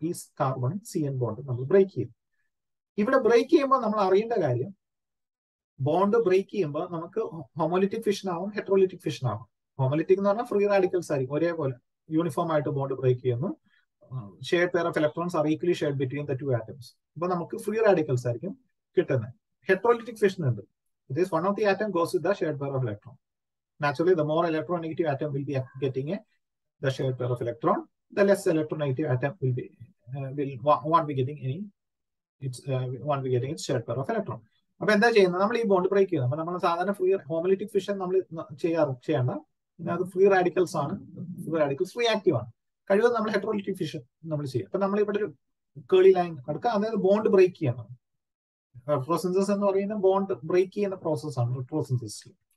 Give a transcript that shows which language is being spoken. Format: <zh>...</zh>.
<ml>ഈ carbon C N bond നമ്മൾ break ചെയ്യും. ഇവിടെ ബ്രേക്ക് ചെയ്യുമ്പോൾ നമ്മൾ അറിയേണ്ട കാര്യം, ബോണ്ട് ബ്രേക്ക് ചെയ്യുമ്പോൾ നമുക്ക് ഹോമോലിറ്റിക് ഫിഷൻ ആവും, ഹെട്രോലിറ്റിക് ഫിഷൻ ആവും. ഹോമോലിറ്റിക് എന്ന് പറഞ്ഞാൽ ഫ്രീ റാഡിക്കൽസ് ആയിരിക്കും, ഒരേപോലെ യൂണിഫോം ആയിട്ട് ബോണ്ട് ബ്രേക്ക് ചെയ്യുന്നു.</ml> <en>Share pair of electrons are equally shared between the two atoms.</en> <ml>അപ്പൊ നമുക്ക് ഫ്രീ റാഡിക്കൽസ് ആയിരിക്കും കിട്ടുന്നത്. ഹെട്രോലിറ്റിക് ഫിഷൻ ഉണ്ട്,</ml> <en>It is one of the atom goes with the share pair of electron. Naturally, the more electronegative atom will be getting the shared pair of electron, the less electronegative atom will be won't be getting its shared pair of electron.</en> <ml>അപ്പൊ എന്താ ചെയ്യുന്നത്? നമ്മൾ ഈ bond break ചെയ്യുന്നത്. അപ്പൊ നമ്മൾ സാധാരണ free ഹോമലിറ്റിക് fission നമ്മൾ ചെയ്യണ്ട, പിന്നെ അത് ഫ്രീ റാഡിക്കൽസ് ആണ്, ഫ്രീ റാഡിക്കൽസ് റിയാക്റ്റീവ് ആണ്. കഴിവതും നമ്മൾ ഹെറ്ററോലിറ്റിക് ഫിഷൻ നമ്മൾ ചെയ്യുക. അപ്പൊ നമ്മൾ ഇവിടെ ഒരു കേളി ലൈൻ എടുക്കുക, അതായത് ബോണ്ട് ബ്രേക്ക് ചെയ്യണം. റെട്രോസിന്തസിസ് എന്ന് പറയുന്ന ബോണ്ട് ബ്രേക്ക് ചെയ്യുന്ന പ്രോസസ് ആണ് റെട്രോസിന്തസിസിൽ.</ml>